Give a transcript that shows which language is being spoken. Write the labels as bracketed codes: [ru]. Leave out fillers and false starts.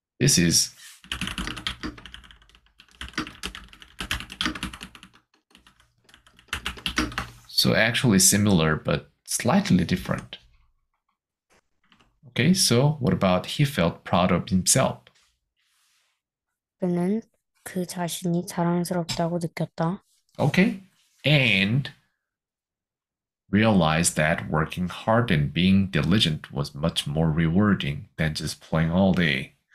[en] This is so actually similar, but slightly different. Okay, so what about he felt proud of himself? [ko] 그는 그 자신이 자랑스럽다고 느꼈다. [en] Okay, and realized that working hard and being diligent was much more rewarding than just playing all day.